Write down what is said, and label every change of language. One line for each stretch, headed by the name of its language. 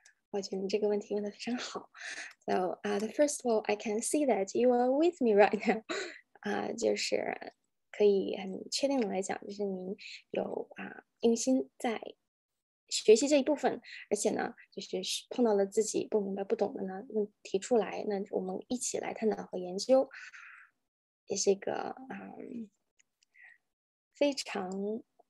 Chinese: 我觉得你这个问题问得非常好。
English: So, first of all, I can see that you are with me right now.
Chinese: 就是可以很确定的来讲，就是您有用心在学习这一部分，而且呢，就是碰到了自己不明白、不懂的呢，问提出来，那我们一起来探讨和研究，也是一个非常。